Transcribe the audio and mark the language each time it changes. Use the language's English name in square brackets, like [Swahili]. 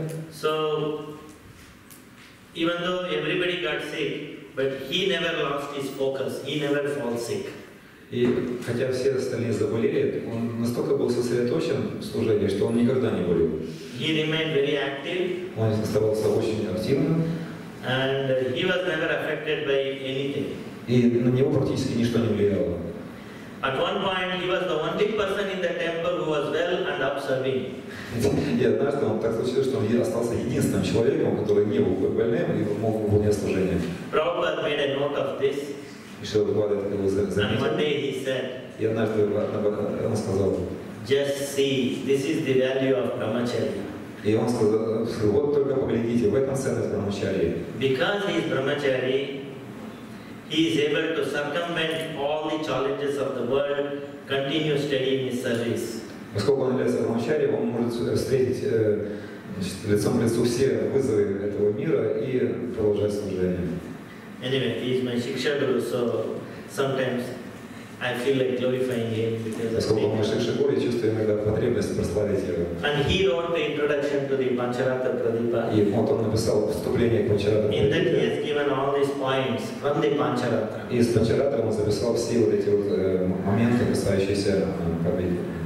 [English] So, even though everybody got sick, but he never lost his focus. He never fell sick. [Russian] И хотя все остальные заболели, он настолько был сосредоточен в служении, что он никогда не болел. [English] He remained very active. [Russian] Он оставался очень активным. [English] And he was never affected by anything. [Russian] И на него практически ничто не влияло. [English] At one point, he was the only person in the temple who was well and observing. [Russian] И однажды он так случилось, что он остался единственным человеком, который не был больным и мог выполнять служение. [English] Prabhupada made a note of this. [Russian] И что Прабхупада это было заметил. [English] And one day he said. [Russian] И однажды он сказал. [English] Just see, this is the value of brahmacharya. [Russian] И он сказал, вот только поглядите, в этом ценность брахмачарьи. [English] Because he is brahmachari. He is able to circumvent all the challenges of the world, continue studying his service. [Russian] Поскольку он является брахмачарием, он может встретить лицом к лицу все вызовы этого мира и продолжать служение. [English] Anyway, he is my shiksha guru, so sometimes I feel like glorifying him because. [Russian] Поскольку он мой шикша гуру, я чувствую иногда потребность прославить его. [English] And he wrote the introduction to the Pancharatra Pradipa. [Russian] И вот он написал вступление к Pancharatra [English] Pradipa. In that he has given all these points from the Pancharatra. [Russian] И из Pancharatra он записал все вот эти вот моменты, касающиеся Пабиди.